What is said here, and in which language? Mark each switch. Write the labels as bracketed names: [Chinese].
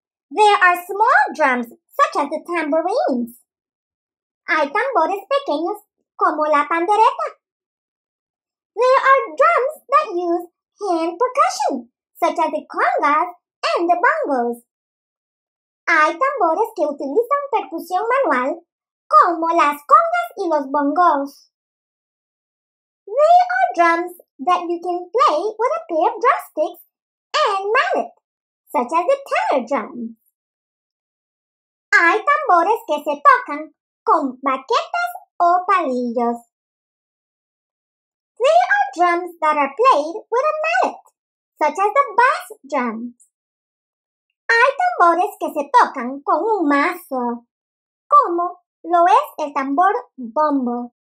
[English] There are small drums, such as the tambourines. [Spanish] Hay tambores pequeños como la pandereta. [English] There are drums that use hand percussion, such as the congas and the bongos. [Spanish] Hay tambores que utilizan percusión manual, como las congas y los bongos. [English] There are drums that you can play with a pair of drumsticks and mallet, such as the tenor drums. [Spanish] Hay tambores que se tocan con baquetas o palillos. [English] There are drums that are played with a mallet, such as the bass drums. [Spanish] Hay tambores que se tocan con un mazo, como lo es el tambor bombo.